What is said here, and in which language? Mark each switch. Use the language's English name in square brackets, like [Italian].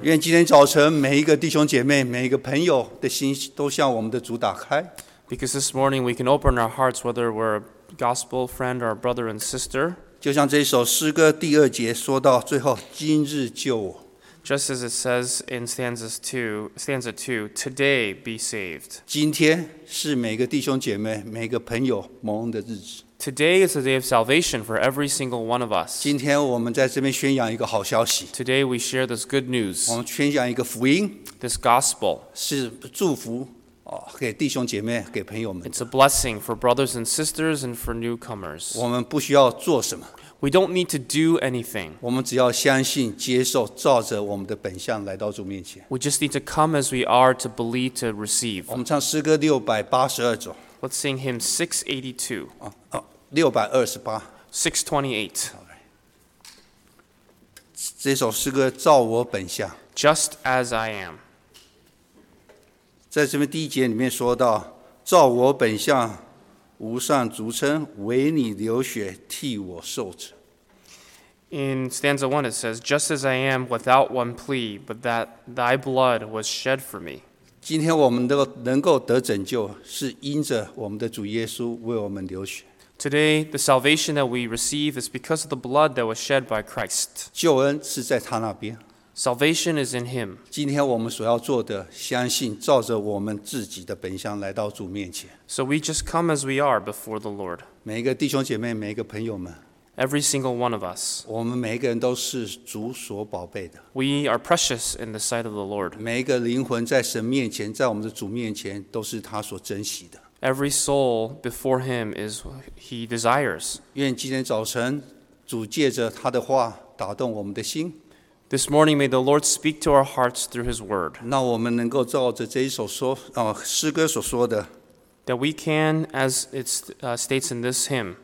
[Chinese] 愿今天早晨每一个弟兄姐妹、每一个朋友的心都向我们的主打开。 [English] Because this morning we can open our hearts, whether we're a gospel friend or a brother and sister. [Chinese] 就像这首诗歌第二节说到最后，今日救我。 [English] Just as it says in stanza two, today be saved. [Chinese] 今天是每个弟兄姐妹、每个朋友蒙恩的日子。 [English] Today is a day of salvation for every single one of us. [Chinese] 今天我们在这边宣扬一个好消息。 [English] Today we share this good news. [Chinese] 我们宣扬一个福音。 [English] This gospel [Chinese] 是祝福给弟兄姐妹、给朋友们。 [English] It's a blessing for brothers and sisters and for newcomers. [Chinese] 我们不需要做什么。 [English] We don't need to do anything. [Chinese] 我们只要相信、接受，照着我们的本相来到主面前。 [English] We just need to come as we are to believe to receive. [Chinese] 我们唱诗歌682首。 [English] Let's sing hymn 682. 628. 628. [Chinese] 这首诗歌照我本相。 [English] Just as I am. [Chinese] 在这边第一节里面说到，照我本相。无上主称，为你流血替我受者。 [English] In stanza one, it says, "Just as I am, without one plea, but that thy blood was shed for me." [Chinese] 今天我们能够得拯救，是因着我们的主耶稣为我们流血。 [English] Today, the salvation that we receive is because of the blood that was shed by Christ. [Chinese] 救恩是在他那边。 [English] Salvation is in Him. [Chinese] 今天我们所要做的，相信照着我们自己的本相来到主面前。 [English] So we just come as we are before the Lord. [Chinese] 每一个弟兄姐妹，每一个朋友们。 [English] Every single one of us. [Chinese] 我们每一个人都是主所宝贝的。 [English] We are precious in the sight of the Lord. [Chinese] 每一个灵魂在神面前，在我们的主面前，都是他所珍惜的。 [English] Every soul before Him is He desires. [Chinese] 愿今天早晨，主借着他的话打动我们的心。 [English] This morning, may the Lord speak to our hearts through His Word. [Chinese] 那我们能够照着这一首说，诗歌所说的。 [English] That we can, as it states in this hymn.